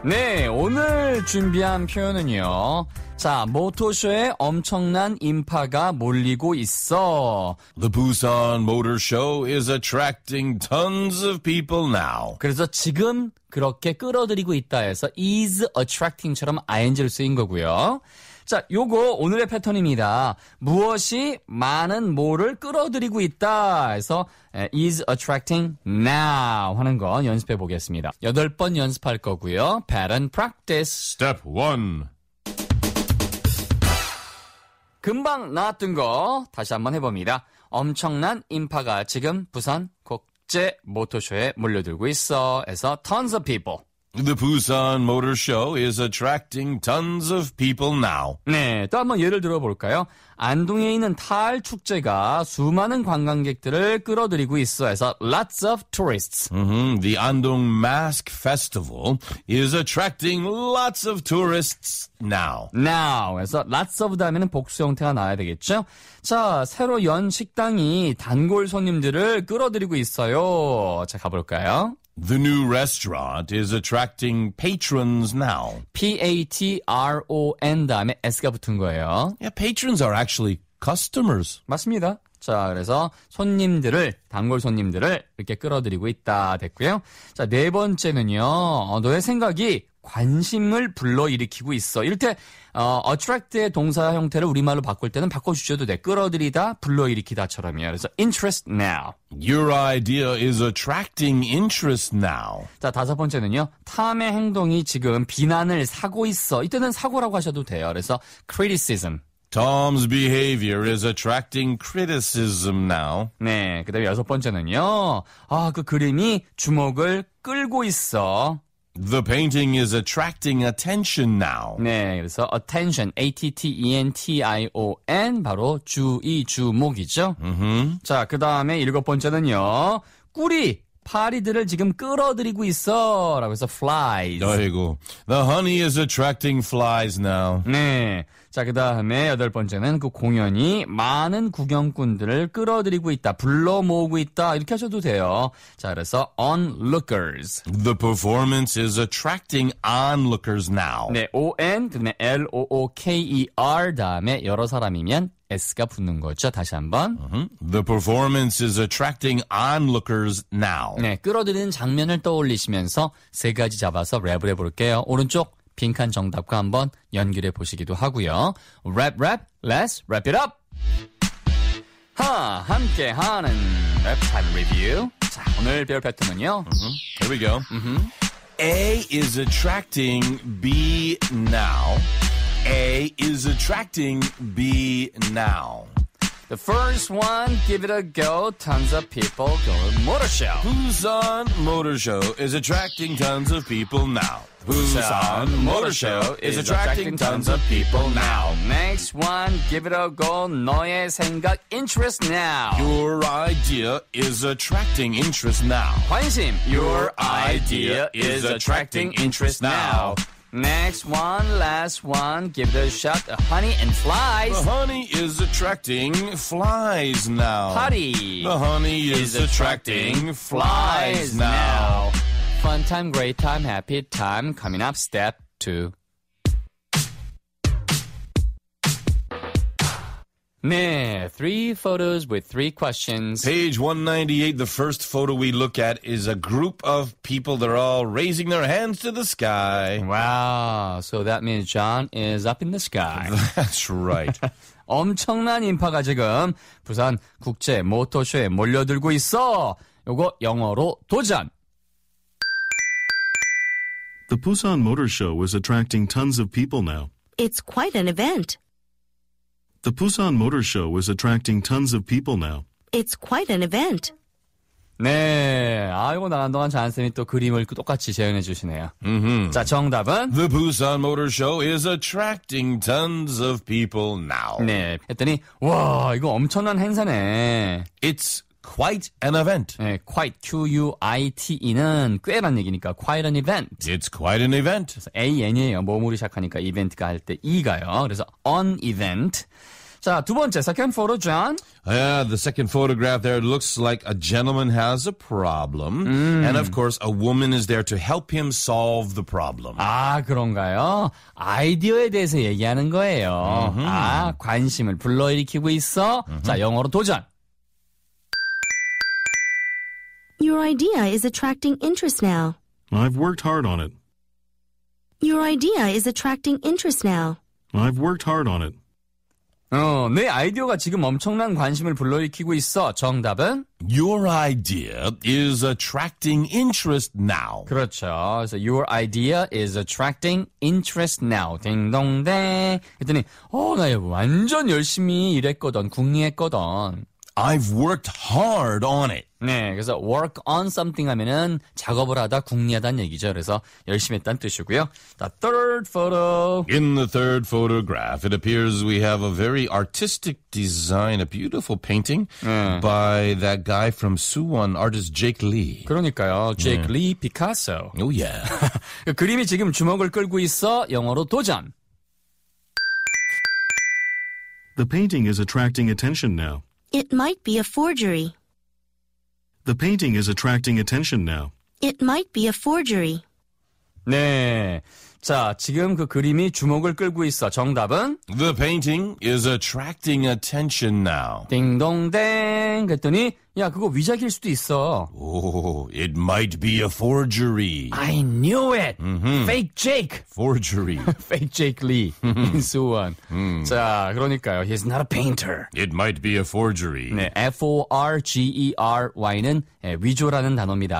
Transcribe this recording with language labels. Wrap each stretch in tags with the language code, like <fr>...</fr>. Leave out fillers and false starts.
<ko>네, 오늘 준비한 표현은요. 자, 모터쇼에 엄청난 인파가 몰리고 있어.</ko> <en>The Busan Motor Show is attracting tons of people now.</en> <ko>그래서 지금 그렇게 끌어들이고 있다 해서</ko> <en>is attracting</en> <ko>처럼 ing를 쓰인 거고요. 자, 요거 오늘의 패턴입니다. 무엇이 많은 뭐를 끌어들이고 있다 해서</ko> <en>is attracting now</en> <ko>하는 거 연습해 보겠습니다. 8번 연습할 거고요.</ko> <en>Pattern practice. Step 1.</en> <ko>금방 나왔던 거 다시 한번 해봅니다. 엄청난 인파가 지금 부산 국제 모터쇼에 몰려들고 있어 해서</ko> <en>tons of people. The Busan Motor Show is attracting tons of people now.</en> <ko>네, 또 한번 예를 들어볼까요? 안동에 있는 탈 축제가 수많은 관광객들을 끌어들이고 있어 해서</ko> <en>lots of tourists. Mm-hmm. The Andong Mask Festival is attracting lots of tourists now.</en> <ko>Now 해서</ko> <en>lots of</en> <ko>다음에는 복수 형태가 나와야 되겠죠? 자, 새로 연 식당이 단골 손님들을 끌어들이고 있어요. 자, 가볼까요?</ko> <en>The new restaurant is attracting patrons now.</en> <ko>P-A-T-R-O-N 다음에 S가 붙은 거예요.</ko> <en>Yeah, patrons are actually customers.</en> <ko>맞습니다. 자, 그래서 손님들을, 단골 손님들을 이렇게 끌어들이고 있다 됐고요. 자, 네 번째는요. 너의 생각이 관심을 불러일으키고 있어. 이럴 때 attract의 동사 형태를 우리말로 바꿀 때는 바꿔주셔도 돼. 끌어들이다, 불러일으키다처럼요.</ko> <en>그래서 interest now. Your idea is attracting interest now.</en> <ko>자, 다섯 번째는요. 탐의 행동이 지금 비난을 사고 있어. 이때는 사고라고 하셔도 돼요. 그래서 criticism.</ko> <en>Tom's behavior is attracting criticism now.</en> <ko>네, 그 다음에 여섯 번째는요. 아, 그 그림이 주목을 끌고 있어.</ko> <en>The painting is attracting attention now.</en> <ko>네, 그래서 attention, A-T-T-E-N-T-I-O-N, 바로 주의, 주목이죠. Mm-hmm. 자, 그 다음에 일곱 번째는요. 꿀이 파리들을 지금 끌어들이고 있어. 라고 해서 flies.</ko> <en>아이고, the honey is attracting flies now.</en> <ko>네. 자, 그 다음에 여덟 번째는 그 공연이 많은 구경꾼들을 끌어들이고 있다. 불러 모으고 있다. 이렇게 하셔도 돼요. 자, 그래서 onlookers.</ko> <en>The performance is attracting onlookers now.</en> <ko>네, on, 그 다음에 l-o-o-k-e-r, 다음에 여러 사람이면 s가 붙는 거죠. 다시 한번.</ko> <en>The performance is attracting onlookers now.</en> <ko>네, 끌어들이는 장면을 떠올리시면서 세 가지 잡아서 랩을 해볼게요. 오른쪽. 빈칸 정답과 한번 연결해 보시기도 하고요.</ko> <en>Rap, rap, let's wrap it up!</en> <ko>하, 함께 하는 랩 타임 리뷰. 자, 오늘 배울 패턴은요.</ko> <en>Mm-hmm. Here we go. Mm-hmm. A is attracting B now. A is attracting B now. The first one, give it a go. Tons of people going motor show. Busan Motor Show is attracting tons of people now. Busan Motor Show is attracting tons of people now. Next one, give it a go.</en> <ko>너의 생각,</ko> <en>interest now. Your idea is attracting interest now.</en> <ko>관심.</ko> <en>Your idea is attracting interest now. Next one, last one, give it a shot, the honey and flies. The honey is attracting flies now. Party. The honey is attracting flies now. Fun time, great time, happy time, coming up step two. 네, three photos with three questions. Page 198, the first photo we look at is a group of people. They're all raising their hands to the sky. Wow, so that means John is up in the sky. That's right.</en> <ko>엄청난 인파가 지금 부산 국제 모터쇼에 몰려들고 있어. 요거 영어로 도전.</ko> <en>The Busan Motor Show is attracting tons of people now. It's quite an event. The Busan Motor Show is attracting tons of people now. It's quite an event.</en> <ko>네, 아이고 나간 동안 잔쌤이 또 그림을 똑같이 재현해 주시네요. Mm-hmm. 자, 정답은?</ko> <en>The Busan Motor Show is attracting tons of people now.</en> <ko>네, 했더니 와, 이거 엄청난 행사네.</ko> <en>It's quite an event.</en> <ko>네, quite, Q-U-I-T-E는 꽤란 얘기니까</ko> <en>quite an event. It's quite an event.</en> <ko>A-N이에요. 모음으로 시작하니까 이벤트가 할 때 E가요. 그래서 on event. 자, 두 번째,</ko> <en>second photo,</en> <ko>John.</ko> <en>Yeah, the second photograph there, it looks like a gentleman has a problem. And of course, a woman is there to help him solve the problem.</en> <ko>아, 그런가요? 아이디어에 대해서 얘기하는 거예요. Mm-hmm. 아, 관심을 불러일으키고 있어. Mm-hmm. 자, 영어로 도전.</ko> <en>Your idea is attracting interest now. I've worked hard on it. Your idea is attracting interest now. I've worked hard on it.</en> <ko>내 아이디어가 지금 엄청난 관심을 불러일으키고 있어. 정답은?</ko> <en>Your idea is attracting interest now.</en> <ko>그렇죠.</ko> <en>So your idea is attracting interest now.</en> <ko>딩동댕. 그랬더니, 나 완전 열심히 일했거든, 궁리했거든.</ko> <en>I've worked hard on it.</en> <ko>네, 그래서</ko> <en>work on something</en> <ko>하면은 작업을 하다, 궁리하다는 얘기죠. 그래서 열심히 했다는 뜻이고요.</ko> <en>The third photo. In the third photograph, it appears we have a very artistic design, a beautiful painting by that guy from Suwon, artist Jake Lee.</en> <ko>그러니까요. Jake Lee Picasso.</ko> <en>Oh, yeah.</en> <ko>그림이 지금 주목을 끌고 있어. 영어로 도전.</ko> <en>The painting is attracting attention now. It might be a forgery. The painting is attracting attention now. It might be a forgery.</en> <ko>네. 자, 지금 그 그림이 주목을 끌고 있어. 정답은?</ko> <en>The painting is attracting attention now.</en> <ko>딩동댕. 그랬더니, 야, 그거 위작일 수도 있어.</ko> <en>Oh, it might be a forgery. I knew it. Mm-hmm. Fake Jake. Forgery. Fake Jake Lee. And so on.</en> <ko>자, 그러니까요.</ko> <en>He's not a painter. It might be a forgery.</en> <ko>네, F-O-R-G-E-R-Y는 네, 위조라는 단어입니다.</ko>